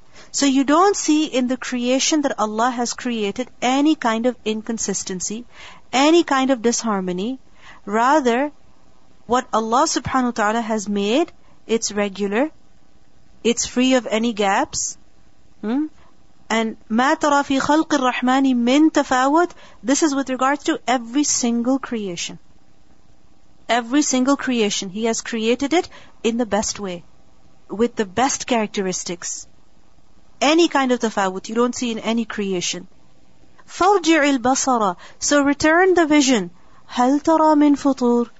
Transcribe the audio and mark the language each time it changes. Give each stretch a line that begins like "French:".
English: So you don't see in the creation that Allah has created any kind of inconsistency, any kind of disharmony. Rather, what Allah subhanahu wa ta'ala has made, it's regular, it's free of any gaps.
Arabic: And مَا تَرَى فِي خَلْقِ الرَّحْمَنِ مِن تَفَاوَتٍ.
English: This is with regards to every single creation. Every single creation, He has created it in the best way, with the best characteristics. Any kind of tafawut you don't see in any creation.
Arabic: فَرْجِعِ الْبَصَرَ.
English: So return the vision.
Arabic: هَلْ تَرَى مِن فُطُور.